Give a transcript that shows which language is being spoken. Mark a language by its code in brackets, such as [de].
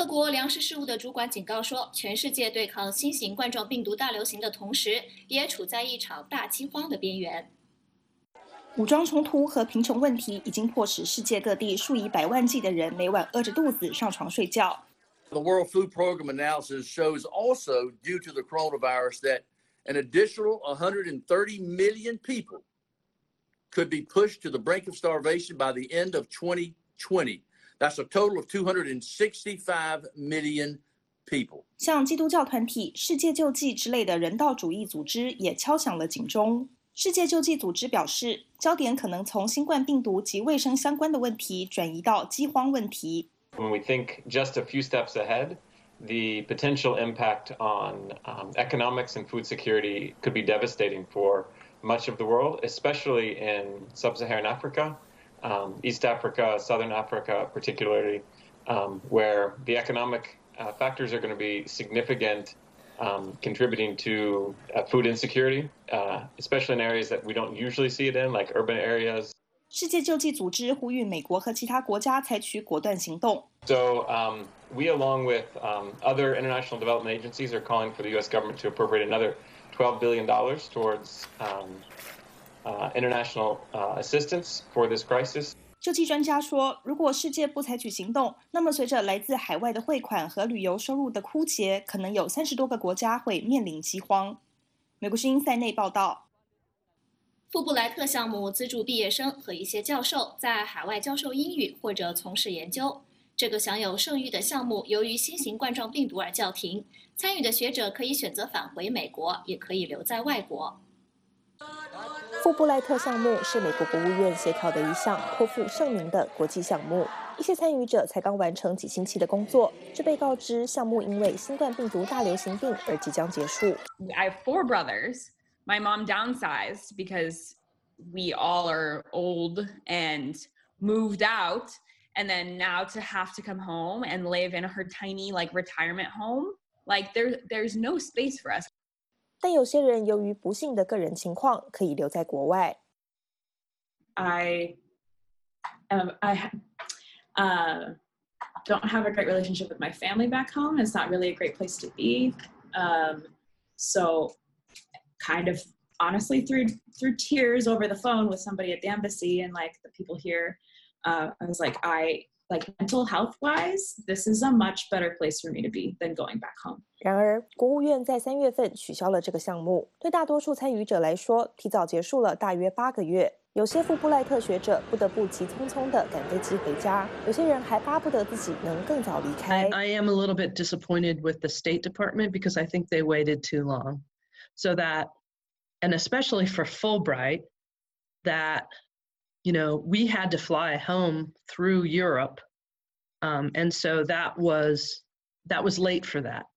[zh] 粮食事务的主管警告说，全世界对抗新型冠状病毒大流行的同时，也处在一场大饥荒的边缘。武装冲突和贫穷问题已经迫使世界各地数以百万计的人每晚饿着肚子上床睡觉。 [en] The World Food Program analysis shows also, due to the coronavirus, that an additional 130 million people could be pushed to the brink of starvation by the end of 2020. That's a total of 265 million people. [zh] 像基督教团体、世界救济之类的人道主义组织也敲响了警钟。世界救济组织表示，焦点可能从新冠病毒及卫生相关的问题转移到饥荒问题。 [en] When we think just a few steps ahead, the potential impact on economics and food security could be devastating for much of the world, especially in sub-Saharan Africa. East Africa, Southern Africa, particularly, where the economic factors are going to be significant, contributing to food insecurity, especially in areas that we don't usually see it in, like urban areas. [zh] 世界救济组织呼吁美国和其他国家采取果断行动。 [en] So, we, along with other international development agencies, are calling for the U.S. government to appropriate another $12 billion towards. International assistance for this crisis. [zh] 救济专家说，如果世界不采取行动，那么随着来自海外的汇款和旅游收入的枯竭，可能有30多个国家会面临饥荒。美国之音塞内报道。富布莱特项目资助毕业生和一些教授在海外教授英语或者从事研究。这个享有盛誉的项目由于新型冠状病毒而叫停，参与的学者可以选择返回美国，也可以留在外国。富布莱特项目是美国国务院协调的一项颇负盛名的国际项目，一些参与者才刚完成几星期的工作，就被告知项目因为新冠病毒大流行病而即将结束。 [en] I have four brothers. My mom downsized because we all are old and moved out, and then now to have to come home and live in her tiny like retirement home, like there's no space for us. [zh] 但有些人由于不幸的个人情况可以留在国外。 [en] I don't have a great relationship with my family back home. It's not really a great place to be. So kind of honestly through tears over the phone with somebody at the embassy and like the people here, I was like, mental health wise, this is a much better place for me to be than going back home. [zh] 然而国务院在三月份取消了这个项目，对大多数参与者来说提早结束了大约八个月。有些富布赖特学者不得不急匆匆地赶飞机回家，有些人还巴不得自己能更早离开。 [en] I am a little bit disappointed with the State Department because I think they waited too long. So that, and especially for Fulbright, that, you know, we had to fly home through Europe. And so that was late for that.